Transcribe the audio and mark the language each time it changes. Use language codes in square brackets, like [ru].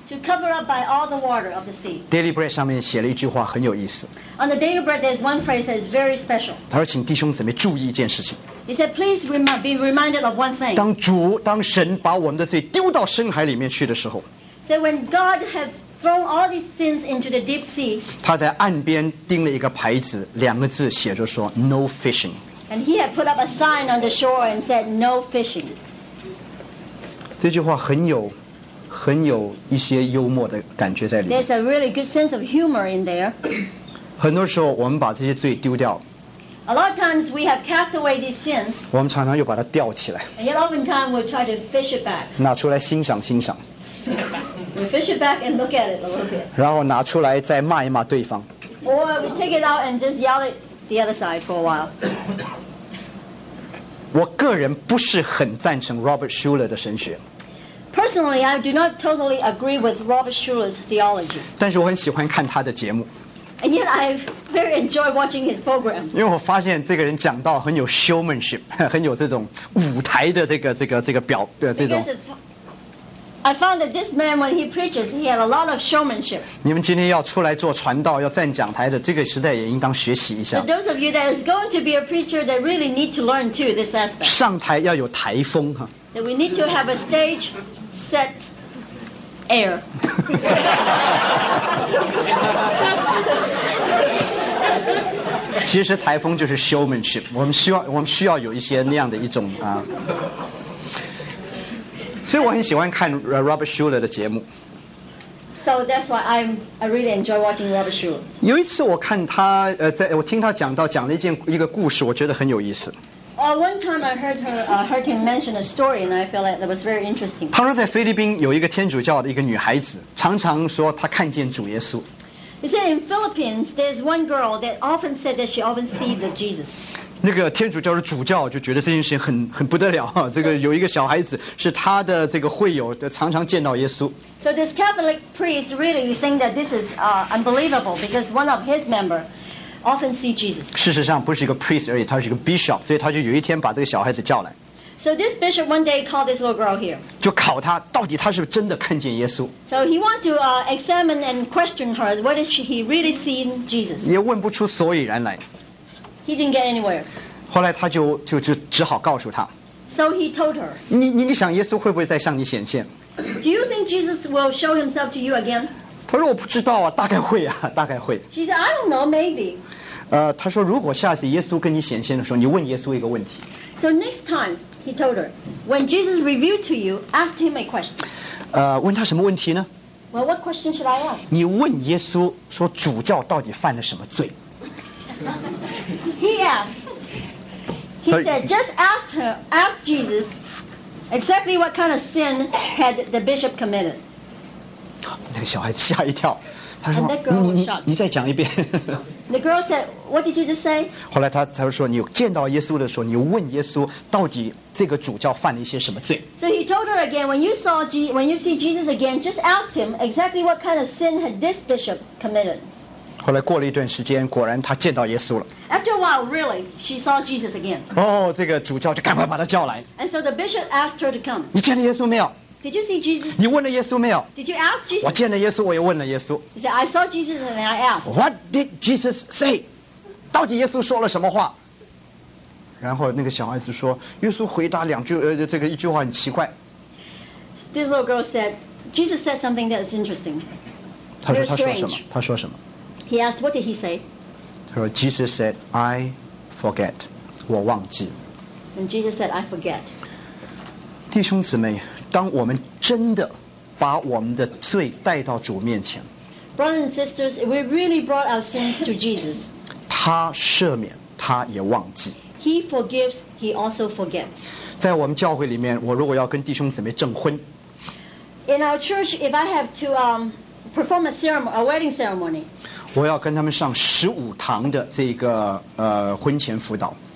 [en] to cover up by all the water of the sea [zh] daily bread 上面写了一句话很有意思 [en] on the daily bread there is one phrase that is very special [zh] 他说请弟兄姊妹注意一件事情 [en] he said please be reminded of one thing [zh] 当神把我们的罪丢到深海里面去的时候 [en] so when God have thrown all these sins into the deep sea [zh] 他在岸边钉了一个牌子两个字写着说 [en] No fishing And he had put up a sign on the shore and said No fishing [zh] 这句话很有一些幽默的感觉在里面 [en] There's a really good sense of humor in there [zh] 很多时候我们把这些罪丢掉 [en] A lot of times we have cast away these sins [zh] 我们常常又把它吊起来 [en] And yet often time we'll try to fish it back [zh] 拿出来欣赏欣赏 [en] We fish it back and look at it a little bit. [zh] 然后拿出来再骂一骂对方。 [en] Or we take it out and just yell it the other side for a while. [zh] 我个人不是很赞成 Robert Schuller 的神学。 [en] Personally, I do not totally agree with Robert Schuller's theology. [zh] 但是我很喜欢看他的节目。 [en] And yet I very enjoy watching his program. [zh] 因为我发现这个人讲到很有 showmanship， 很有这种舞台的这个表的这种。 [en] I found that this man, when he preaches, he had a lot of showmanship. [zh] 你们今天要出来做传道，要站讲台的，这个时代也应当学习一下。 [en] But those of you that is going to be a preacher, that really need to learn too this aspect. [zh] 上台要有台风哈。 [en] That we need to have a stage set air. [zh] 其实台风就是 showmanship. 我们需要有一些那样的一种啊。所以我很喜欢看 Robert Schuller 的节目。 [en] So that's why I really enjoy watching Robert Schuller. [zh] 有一次我看他，在我听他讲了一个故事，我觉得很有意思。 [en] One time I heard heard him mention a story, and I felt like that was very interesting. [zh] 他说在菲律宾有一个天主教的一个女孩子，常常说她看见主耶稣。 [en] He said in Philippines there's one girl that often said that she often sees the Jesus. [zh] 那个天主教的主教就觉得这件事情很不得了哈，这个有一个小孩子是他的这个会友，常常见到耶稣。 [en] So this Catholic priest really think that this is unbelievable because one of his member often see Jesus. [zh] 事实上不是一个 priest 而已，他是一个 bishop， 所以他就有一天把这个小孩子叫来。 [en] So this bishop one day called this little girl here. [zh] 就考他到底他是真的看见耶稣。 [en] So he want to examine and question her whether he really seen Jesus. [zh] 也问不出所以然来。 [en] He didn't get anywhere. [zh] 后来他就只好告诉他。 [en] So he told her. [zh] 你想耶稣会不会再向你显现 [en] ？Do you think Jesus will show himself to you again? [zh] 他说我不知道啊，大概会啊，大概会。 [en] She said, I don't know, maybe. [zh] 他说如果下次耶稣跟你显现的时候，你问耶稣一个问题。 [en] So next time, he told her, when Jesus revealed to you, ask him a question. [zh] 问他什么问题呢 [en] ？Well, what question should I ask? [zh] 你问耶稣说主教到底犯了什么罪？ [en] He asked. He said, "Just ask her, ask Jesus, exactly what kind of sin had the bishop committed." [zh] 那个小孩子吓一跳，他说：“ [en] And that girl was shocked. [zh] 你再讲一遍。 [en] The girl said, "What did Jesus say?" [zh] 后来他才说，你见到耶稣的时候，你问耶稣到底这个主教犯了一些什么罪。 [en] So he told her again, when you see Jesus again, just ask him exactly what kind of sin had this bishop committed. [zh] 后来过了一段时间，果然他见到耶稣了。 [en] After a while, really, she saw Jesus again. [zh] 哦，这个主教就赶快把他叫来。 [en] And so the bishop asked her to come. [zh] 你见了耶稣没有？ [en] Did you see Jesus? [zh] 你问了耶稣没有？ [en] Did you ask Jesus? [zh] 我见了耶稣，我也问了耶稣。 [en] He said, "I saw Jesus and I asked." What did Jesus say? [zh] 到底耶稣说了什么话？然后那个小孩子说，耶稣回答两句，这个一句话很奇怪。 [en] This little girl said, "Jesus said something that is interesting." [zh] 他说他说什么？他说什么 [en] ？He asked, "What did he say?" [zh] 他说 [en] ，Jesus said, "I forget." [zh] 我忘记。 [en] And Jesus said, "I forget." [zh] 弟兄姊妹。当我们真的把我们的罪带到主面前 [en] Brothers and sisters, if we really brought our sins to Jesus, [zh] 他赦免，他也忘记。 [en] He forgives, he also forgets. [zh] 在我们教会里面，我如果要跟弟兄姊妹证婚 [en] In our church, if I have to perform a wedding ceremony, [zh] 我要跟他们上十五堂的这个婚前辅导。